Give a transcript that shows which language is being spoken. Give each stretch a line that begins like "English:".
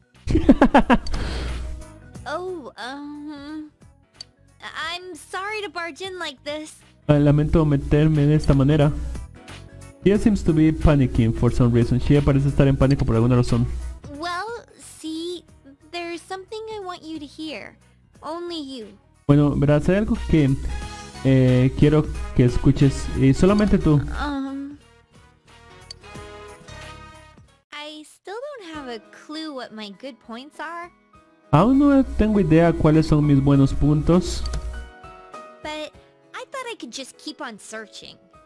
English: I'm sorry to barge in like this.
Spanish: Lamento meterme de esta manera.
English: She seems to be panicking for some reason.
Spanish: She parece estar en pánico por alguna razón.
English: Well, see, there's something I want you to hear. Only you.
Spanish: Bueno, verás, hay algo que quiero que escuches y solamente tú.
English: I still don't have a clue what my good points are.
Spanish: Aún no tengo idea cuáles son mis buenos puntos.
English: But I thought I could just keep on searching.